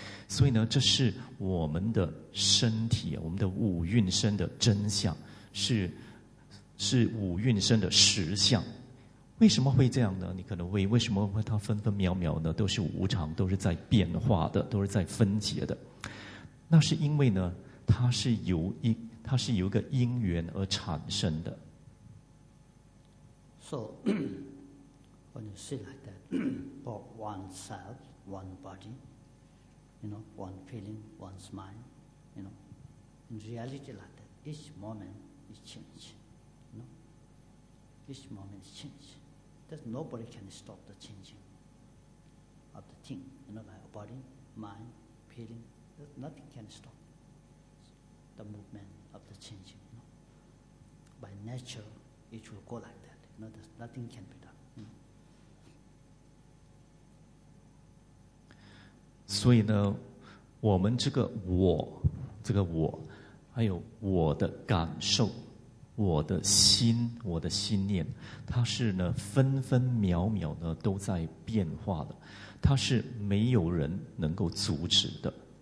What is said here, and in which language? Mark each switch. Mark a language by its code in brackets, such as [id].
[zh] 所以呢，这是我们的身体，我们的五蕴身的真相，是五蕴身的实相。为什么会这样呢？你可能会为什么会它分分秒秒呢？都是无常，都是在变化的，都是在分解的。那是因为呢，它是由一个因缘而产生的。 [en] So, when you say like that, for oneself, one body. You know, one feeling, one's mind, you know, in reality like that, each moment is change, you know, each moment is change. There's nobody can stop the changing of the thing, you know, like a body, mind, feeling, nothing can stop the movement of the changing, you know. By nature, it will go like that, you know, there's nothing can be done. [zh] 所以呢，我们这个我，这个我，还有我的感受，我的心，我的心念，它是呢分分秒秒呢都在变化的，它是没有人能够阻止的。